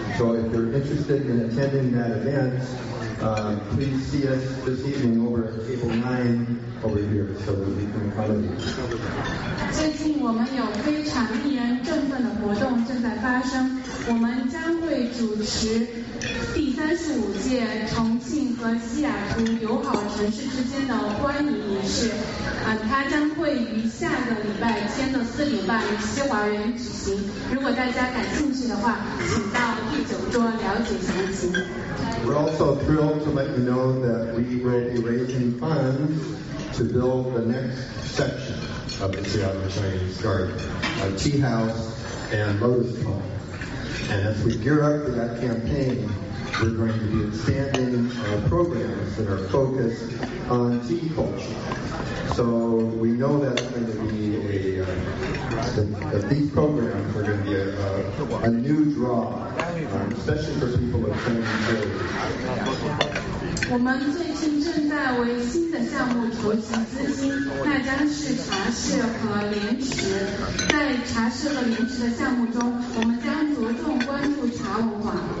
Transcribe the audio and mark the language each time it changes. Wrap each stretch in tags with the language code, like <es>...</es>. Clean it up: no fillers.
<en>So if you're interested in attending that event, please see us this evening over at table 9 over here so that we can accommodate you.</en> <zh>最近我们有非常令人振奋的活动正在发生，我们将会主持第35届重庆和西雅图友好城市之间的欢迎仪式，它将会于下个礼拜天的4:30西华园举行。如果大家感兴趣的话，请到第9桌了解详情。</zh> <en>We're also thrilled to let you know that we will be raising funds to build the next section of the Seattle Chinese Garden, a tea house and lotus pond. And as we gear up for that campaign, we're going to be expanding our programs that are focused on tea culture. So we know that's going to be these programs are going to be a new draw, especially for people of Chinese heritage.</en> <zh>我们最近正在为新的项目筹集资金，那将是茶室和莲池。在茶室和莲池的项目中，我们将着重关注茶文化。</zh>